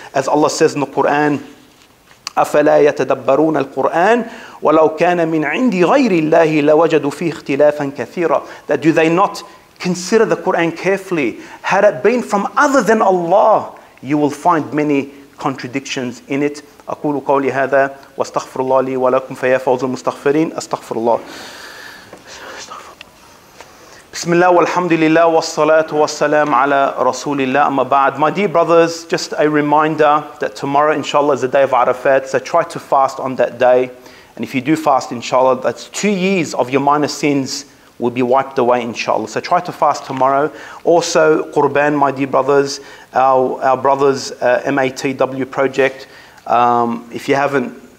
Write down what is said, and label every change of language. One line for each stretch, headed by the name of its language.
English: As Allah says in the Quran,
Arabic: أَفَلَا يَتَدَبَّرُونَ الْقُرْآنَ وَلَوْ كَانَ مِنْ عِنْدِ غَيْرِ اللَّهِ لَوَجَدُوا فِيهِ اخْتِلَافًا كَثِيرًا.
English: That do they not consider the Quran carefully? Had it been from other than Allah, you will find many contradictions in it.
Arabic: أقول قولي هذا واستغفر الله لي ولكم فيا فوز المستغفرين استغفر الله. بسم الله والحمد لله والصلاة والسلام على رسول الله أما بعد.
English: My dear brothers, just a reminder that tomorrow inshallah is the day of Arafat, so try to fast on that day. And if you do fast inshallah, that's 2 years of your minor sins will be wiped away inshallah. So try to fast tomorrow. Also, Qurban, my dear brothers, our brothers, MATW project, if you haven't